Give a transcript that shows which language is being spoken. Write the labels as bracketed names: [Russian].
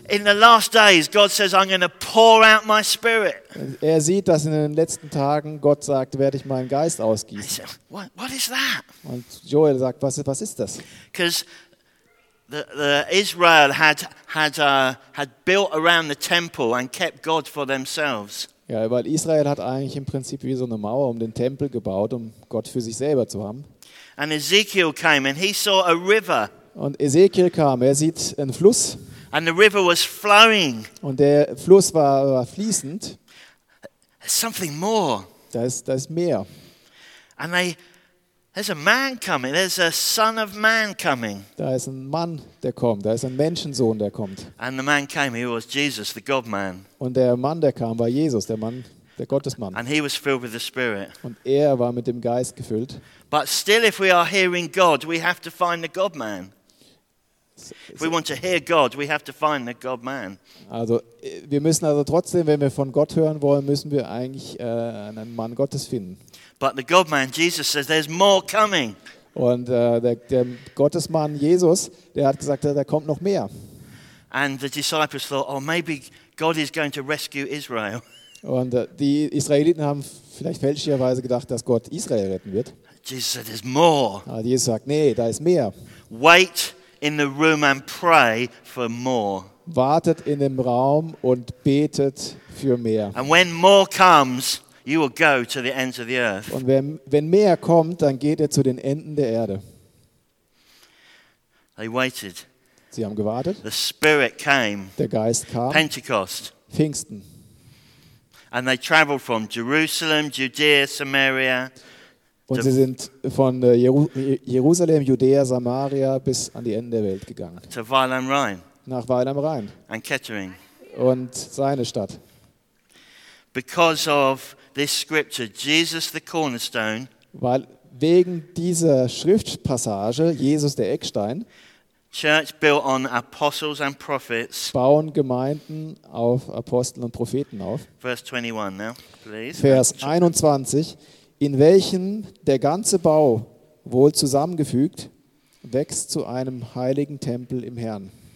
[English] In the last days, God says, I'm going to pour out my spirit. [German] Er sieht, dass in den letzten Tagen Gott sagt, werde ich meinen Geist ausgießen. [English] What is that? [German] Und Joel sagt, was ist das? [English] Because the Israel had built around the temple and kept God for themselves. [German] Ja, weil Israel hat eigentlich im Prinzip wie so eine Mauer um den Tempel gebaut, um Gott für sich selber zu haben. [English] And Ezekiel came and he saw a river. [German] Und Ezekiel kam, er sieht einen Fluss. [English] And the river was flowing. [German] Und der Fluss war fließend. [English] Something more. [German] Da ist mehr. [English] And there's a man coming. There's a son of man coming. [German] Da ist ein Mann, der kommt. Da ist ein Menschensohn, der kommt. [English] And the man came. He was Jesus, the God man. [German] Und der Mann, der kam, war Jesus, der Mann, der Gottesmann. [English] And he was filled with the Spirit. [German] Und er war mit dem Geist gefüllt. [English] But still, if we are hearing God, we have to find the God man. If we want to hear God, we have to find the God man. [German] Also, wir müssen also trotzdem, wenn wir von Gott hören wollen, müssen wir eigentlich einen Mann Gottes finden. [English] But the God man, Jesus says, there's more coming. [German] Und der Gottesmann Jesus, der hat gesagt, da kommt noch mehr. [English] And the disciples thought, oh, maybe God is going to rescue Israel. [German] Und die Israeliten haben vielleicht fälschlicherweise gedacht, dass Gott Israel retten wird. [English] Jesus said, "There's more." [German] Aber Jesus sagt, nee, da ist mehr. [English] Wait in the room and pray for more. [German] Wartet in dem Raum und betet für mehr. [English] And when more comes, you will go to the ends of the earth. [German] Und wenn mehr kommt, dann geht ihr zu den Enden der Erde. [English] They waited. [German] Sie haben gewartet. [English] The Spirit came. [German] Der Geist kam. [English] Pentecost. [German] Pfingsten. [English] And they traveled from Jerusalem, Judea, Samaria. [German] Und sie sind von Jerusalem, Judäa, Samaria bis an die Enden der Welt gegangen. [English] To Weil am Rhein. [German] Nach Weil am Rhein. [English] And Kettering. [German] Und seine Stadt. [English] Because of this scripture, Jesus the cornerstone. [German] Weil wegen dieser Schriftpassage, Jesus der Eckstein. [English] Church built on apostles and prophets. [German] Bauen Gemeinden auf Apostel und Propheten auf. [English] Verse 21 now, please. [German] Vers 21. In welchem der ganze Bau wohl zusammengefügt wächst zu einem heiligen Tempel im Herrn.